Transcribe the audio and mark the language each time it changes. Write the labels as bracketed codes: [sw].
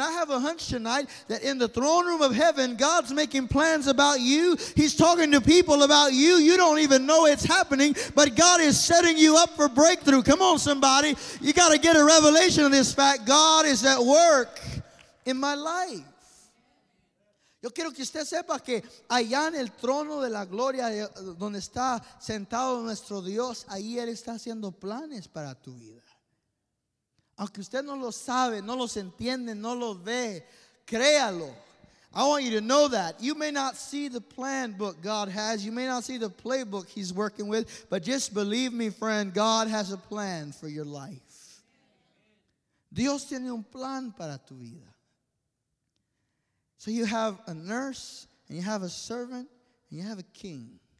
[en] And I have a hunch tonight that in the throne room of heaven, God's making plans about you. He's talking to people about you. You don't even know it's happening, but God is setting you up for breakthrough. Come on, somebody. You got to get a revelation of this fact. God is at work in my life. [es] Yo quiero que usted sepa que allá en el trono de la gloria, donde está sentado nuestro Dios, ahí Él está haciendo planes para tu vida. Aunque usted no lo sabe, no los entiende, no los ve, créalo. [en] I want you to know that. You may not see the plan book God has. You may not see the playbook he's working with. But just believe me, friend, God has a plan for your life. [es] Dios tiene un plan para tu vida. [en] So you have a nurse, and you have a servant, and you have a king.